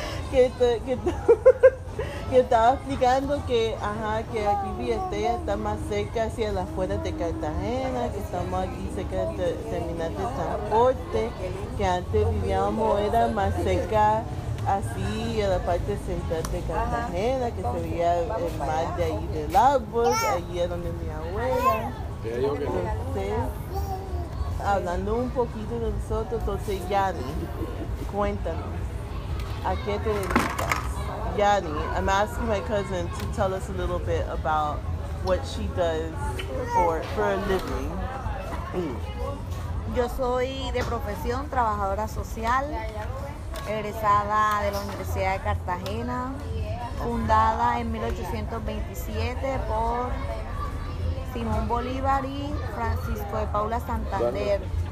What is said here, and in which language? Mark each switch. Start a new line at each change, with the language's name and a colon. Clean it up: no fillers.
Spanish: Que estaba explicando que, ajá, que aquí Villa Estrella está más cerca hacia las afueras de Cartagena, que estamos aquí cerca de terminal de transporte, que antes vivíamos era más cerca así a la parte central de Cartagena, que se veía el mar de ahí del árbol, allí era donde mi abuela. Entonces, hablando un poquito de nosotros, entonces Yanni, cuéntanos, ¿a qué te dedicas?
English: Yanni, I'm asking my cousin to tell us a little bit about what she does for a living.
Spanish: Yo soy de profesión trabajadora social, egresada de la Universidad de Cartagena, fundada en 1827 por Simón Bolívar y Francisco de Paula Santander.